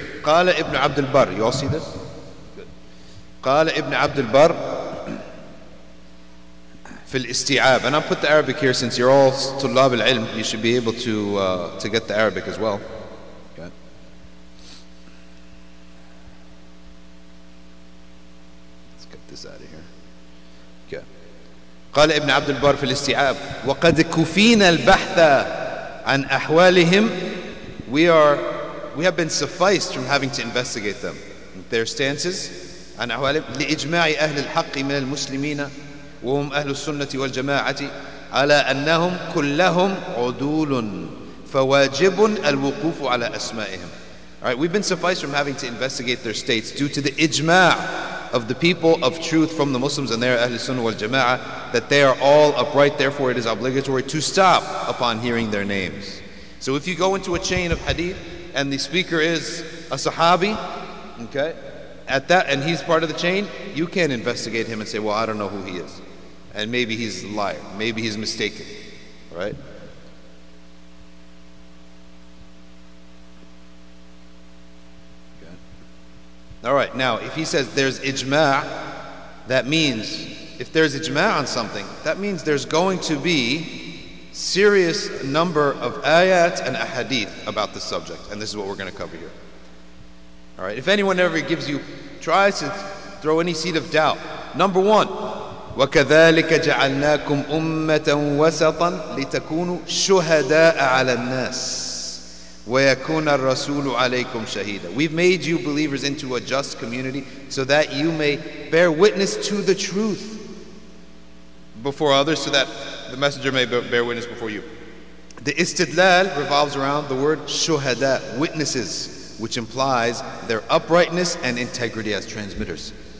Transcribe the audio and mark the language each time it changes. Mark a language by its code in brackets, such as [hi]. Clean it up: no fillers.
[en] Qala ibn Abdul Barr, you all see this? Qala ibn Abdul Barr, fil isti'ab, and I'll put the Arabic here since you're all tulab al-ilm, you should be able to get the Arabic as well. Okay. Let's get this out of here. Okay. [ar] قال ابن عبد البر في الاستيعاب وقد كفينا البحث عن أحوالهم. [en] We have been sufficed from having to investigate them, their stances, [ar] عن أحوالهم لإجماع أهل الحق من المسلمين. وهم أهل السنة والجماعة على أنهم كلهم عدول فواجب الوقوف على أسمائهم. [en] Right, we've been sufficed from having to investigate their states due to the ijma of the people of truth from the Muslims and their Ahl Sunnah wal Jama'ah that they are all upright, therefore it is obligatory to stop upon hearing their names. So if you go into a chain of hadith and the speaker is a Sahabi, okay, at that, and he's part of the chain, you can't investigate him and say, well, I don't know who he is. And maybe he's a liar. Maybe he's mistaken. Right? Okay. All right. Now, if he says there's ijma', that means, if there's ijma' on something, that means there's going to be serious number of ayat and ahadith about the subject. And this is what we're going to cover here. All right. If anyone ever gives you, tries to throw any seed of doubt. [ar] Number one, وَكَذَلِكَ جَعَلْنَاكُمْ أُمَّةً وَسَطًا لِتَكُونُوا شُهَدَاءَ عَلَى النَّاسِ وَيَكُونَ الرَّسُولُ عَلَيْكُمْ شَهِيدًا. [en] We've made you believers into a just community so that you may bear witness to the truth before others, so that the messenger may bear witness before you. The istidlal revolves around the word shuhada, witnesses, which implies their uprightness and integrity as transmitters.